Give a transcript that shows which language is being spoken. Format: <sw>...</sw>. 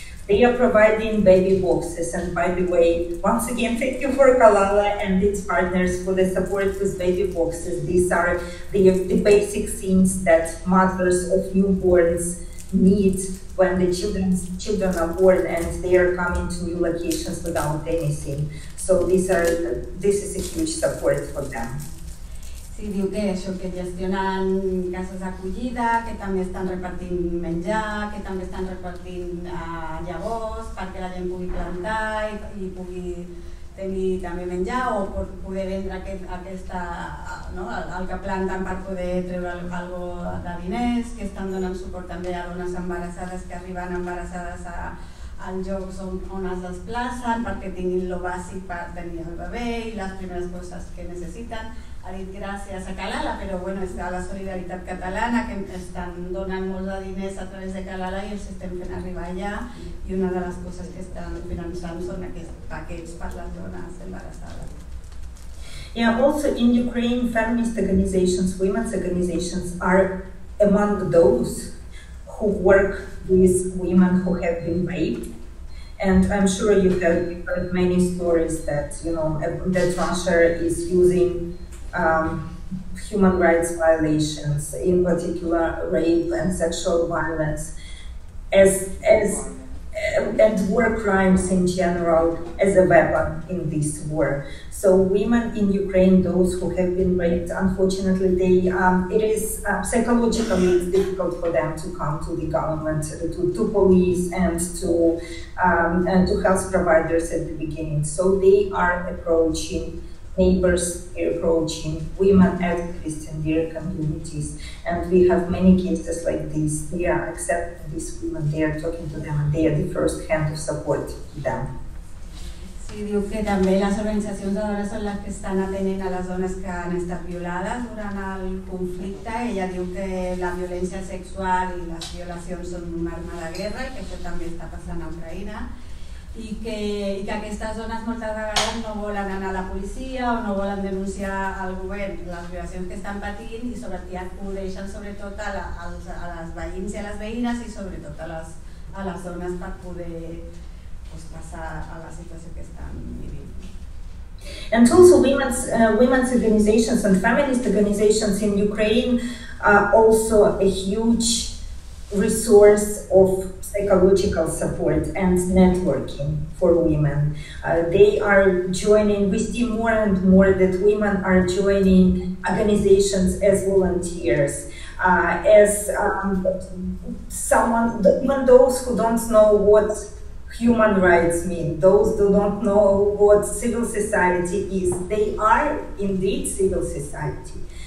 <en>They are providing baby boxes, and by the way, once again, thank you for Kalala and its partners for the support with baby boxes. These are the basic things that mothers of newborns need when the children are born and they are coming to new locations without anything. So this is a huge support for them.</en> <ca>Sí, diu que això, que gestionen cases d'acollida, que també estan repartint menjar, que també estan repartint llavors perquè la gent pugui plantar i pugui tenir també menjar o per poder vendre el que planten per poder treure algo de diners, que estan donant suport també a dones embarassades que arriben embarassades als llocs on es desplacen perquè tinguin lo bàsic per tenir el bebè i les primeres coses que necessiten. Ha dit gràcies a Kalala, però bueno, és a la Solidaritat Catalana, que estan donant molts de diners a través de Kalala i els estem fent arribar allà, i una de les coses que estan finançant són aquests paquets per les dones embarassades.</ca> <en>Yeah, also in Ukraine, feminist organizations, women's organizations are among those who work with women who have been raped. And I'm sure you have heard many stories that, you know, that Russia is using human rights violations, in particular rape and sexual violence, and war crimes in general, as a weapon in this war. So women in Ukraine, those who have been raped, unfortunately, it is psychologically it's difficult for them to come to the government, to police, and to health providers at the beginning. So they are approaching neighbors, they're approaching women activists in their communities, and we have many cases like this. They are accepting these women, they are talking to them, and they are the first hand of support to them.</en> <ca>Sí, diu que també les organitzacions de dones són les que estan atenent a les dones que han estat violades durant el conflicte. Ella diu que la violència sexual i les violacions són una arma de guerra, i que això també està passant a Ucraïna. I que aquestes dones moltes vegades no volen anar a la policia o no volen denunciar al govern les violacions que estan patint i sobretot acudeixen sobretot a les veïns i a les veïnes i sobretot a les dones per poder passar a la situació que estan vivint.</ca> <en>And also women's organizations and feminist organizations in Ukraine are also a huge resource of psychological support and networking for women. They are joining, we see more and more that women are joining organizations as volunteers, even those who don't know what human rights mean, those who don't know what civil society is, they are indeed civil society.</en>